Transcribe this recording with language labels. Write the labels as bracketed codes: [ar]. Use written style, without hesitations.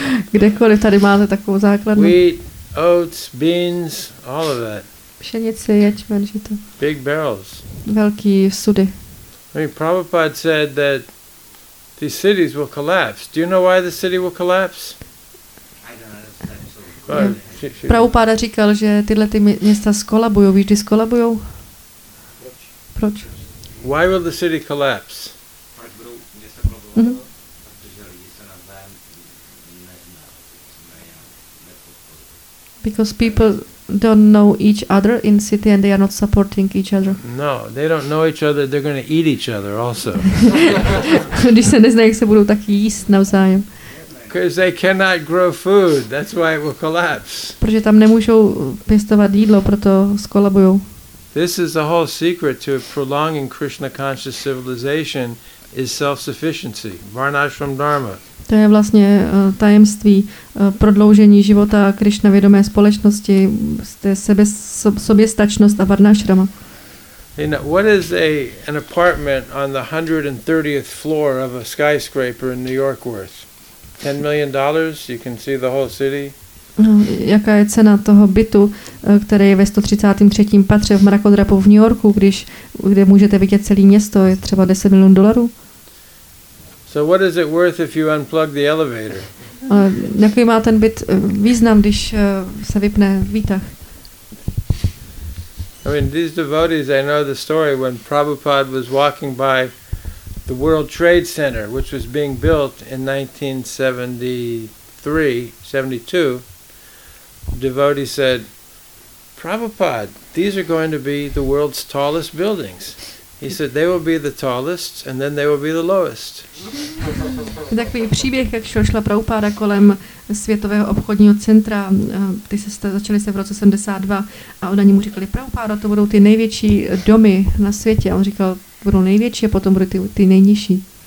[cs] Kdekoliv tady máte takovou základnu. [en] Wheat, oats, beans, all of that. [cs] Pšenice, ječmen, žito. [en] Big barrels. [cs] Velký sudy. [en] I mean, Prabhupada said that these cities will collapse. Do you know why the city will collapse? I don't understand. [cs] Prabhupada říkal, že tyhle ty města skolabují. Víš, kdy skolabují? Proč? [en] Why will the city collapse? Because people don't know each other in city and they are not supporting each other. No, they don't know each other, they're going to eat each other also. [cs] Když se neznají, se budou tak jíst navzájem. [en] Because they cannot grow food, that's why it will collapse. [cs] Protože tam nemůžou pěstovat jídlo, proto skolabujou. [en] This is the whole secret to prolonging Krishna conscious civilization is self-sufficiency, varnashram dharma. [cs] To je vlastně tajemství prodloužení života Krishna vědomé společnosti, soběstačnost a varnashrama. [en] You know, what is an apartment on the 130th floor of a skyscraper in New York worth? $10 million, you can see the whole city. [cs] No, jaká je cena toho bytu, který je ve 133. patře v mrakodrapu v New Yorku, kde můžete vidět celé město, je třeba $10 million. [en] So what is it worth if you unplug the elevator? [cs] Jaký má ten byt význam, když se vypne výtah? [en] I mean, these devotees, I know the story when Prabhupada was walking by the World Trade Center, which was being built in 1972. Devotee said, Prabhupada, these are going to be the world's tallest buildings. He said, they will be the tallest and then they will be the lowest. [cs] Takový příběh, jak šla Prabhupada kolem světového obchodního centra, začali se v roce 72 a oni mu říkali, Prabhupada, to budou ty největší domy na světě. A on říkal, budou největší a potom budou ty nejnižší.